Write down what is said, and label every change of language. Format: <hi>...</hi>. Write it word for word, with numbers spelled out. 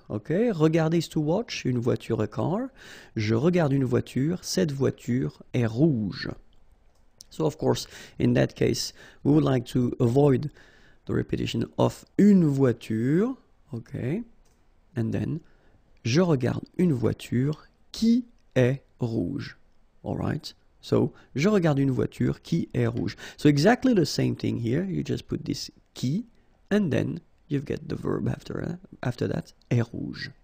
<en>Okay, regarder is to watch, une voiture, a car.</en> <fr>Je regarde une voiture. Cette voiture est rouge.</fr> <en>So, of course, in that case, we would like to avoid the repetition of une voiture. Okay, and then,</en> <fr>je regarde une voiture qui est rouge.</fr> <en>All right.</en> <fr>So, je regarde une voiture qui est rouge.</fr> <en>So, exactly the same thing here. You just put this qui, and then you get the verb after, uh, after that, est rouge.</en>